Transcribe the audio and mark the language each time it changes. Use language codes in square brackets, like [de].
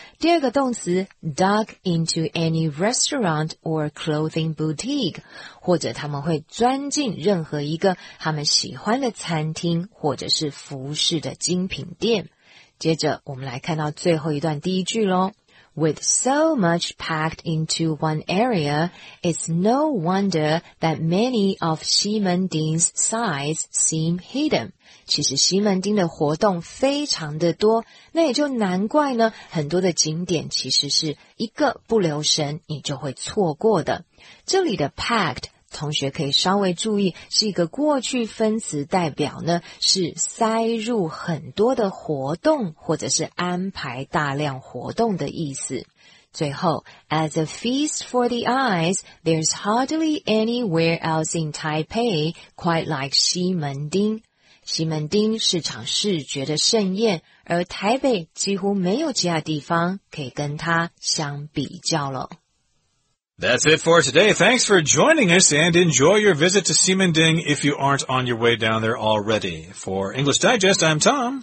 [zh] 第二个动词 ， [en] duck into any restaurant or clothing boutique， [zh] 或者他们会钻进任何一个他们喜欢的餐厅或者是服饰的精品店。接着我们来看到最后一段第一句咯。 [en] With so much packed into one area, it's no wonder that many of 西门町's sights seem hidden. [zh] 其实西门町的活动非常的多，那也就难怪呢，很多的景点其实是一个不留神你就会错过的。这里的 packed,同学可以稍微注意，是一个过去分词，代表呢是塞入很多的活动，或者是安排大量活动的意思。 [en] 最后 ，As a feast for the eyes, there's hardly anywhere else in Taipei quite like 西门町。 [zh] 西门町是场视觉的盛宴，而台北几乎没有其他地方可以跟它相比较了。 [en] That's it for today. Thanks for joining us and enjoy your visit to西门町if you aren't on your way down there already. For English Digest, I'm Tom.